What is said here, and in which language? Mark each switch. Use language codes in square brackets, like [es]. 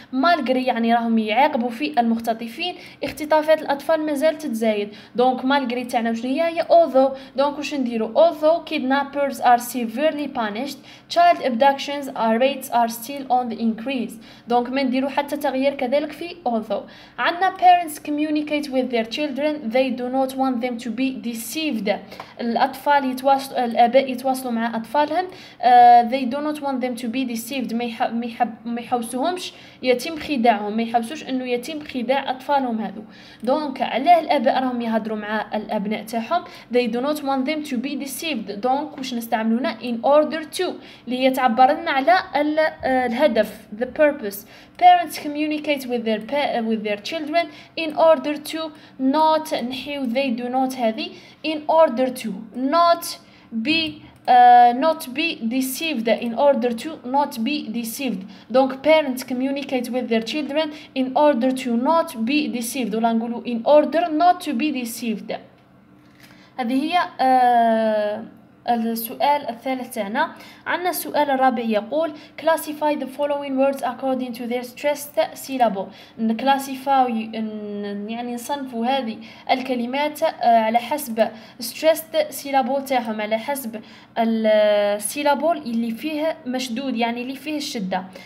[ar] مالغري يعني راهم يعاقبوا في المختطفين، اختطافات الأطفال مازالت تزايد. دونك مالغري تاعنا واش هي؟ هي although. دونك واش نديرو؟ [en] although kidnappers are severely punished، child abductions rates are still on the increase. [ar] دونك ما نديرو حتى تغيير كذلك في although. [en] عندنا parents communicate with their children، they do not want them to be deceived. [ar] الأطفال يتواصلوا، الآباء يتواصلوا مع أطفال لهم. [en] they do not want them to be deceived، [ar] ما يحوسوهمش يتم خداعهم، ما يحوسوش انه يتم خداع اطفالهم هذو. دونك علاه الاباء راهم يهضروا مع الابناء تاعهم؟ [en] they do not want them to be deceived. [ar] دونك واش نستعملوا هنا؟ in order to اللي تعبر لنا على الهدف، the purpose. [en] parents communicate with their children in order to not، نحيو they do not هذه، in order to not be not be deceived، in order to not be deceived. donc parents communicate with their children in order to not be deceived، [ar] ولا نقولوا [en] in order not to be deceived. [ar] هذه هي السؤال الثالث تاعنا. عندنا السؤال الرابع يقول [en] classify the following words according to their stressed syllable. [ar] نكلاسيفاو يعني نصنفوا هذه الكلمات على حسب stressed syllable تاعهم، على حسب السيلابول اللي فيه مشدود يعني اللي فيه الشدة.